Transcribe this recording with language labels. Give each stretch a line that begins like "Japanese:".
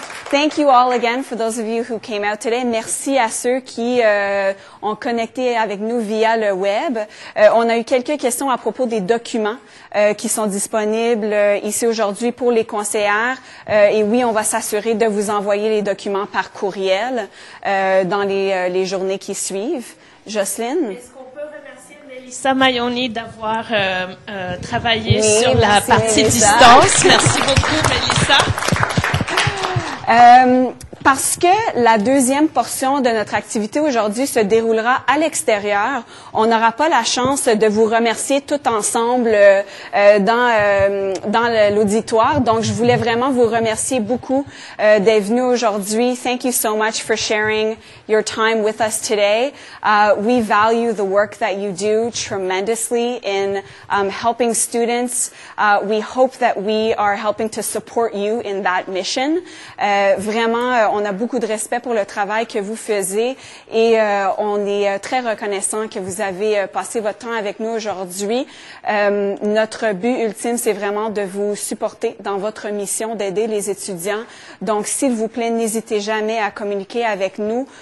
English: Thank you all again for those of you who came out today.
French: Merci à ceux qui ont connecté avec nous via le web. On a eu quelques questions à propos des documents qui sont disponibles ici aujourd'hui pour les conseillères. Et oui, on va s'assurer de vous envoyer les documents par courriel dans les journées qui suivent. Jocelyne? Lisa Maioni d'avoir travaillé oui, sur la partie Mélissa. Distance. Merci beaucoup, Mélissa. Parce que la deuxième portion de notre activité aujourd'hui se déroulera à l'extérieur, on n'aura pas la chance de vous remercier tout ensemble dans l'auditoire. Donc, je voulais vraiment vous remercier beaucoup d'être venu aujourd'hui.
English: Thank you so much for sharing your time with us today. We value the work that you do tremendously in helping students. We hope that we are helping to support you in that mission.
French: On a beaucoup de respect pour le travail que vous faisiez et on est très reconnaissant que vous avez passé votre temps avec nous aujourd'hui. Notre but ultime, c'est vraiment de vous supporter dans votre mission d'aider les étudiants. Donc, s'il vous plaît, n'hésitez jamais à communiquer avec nous.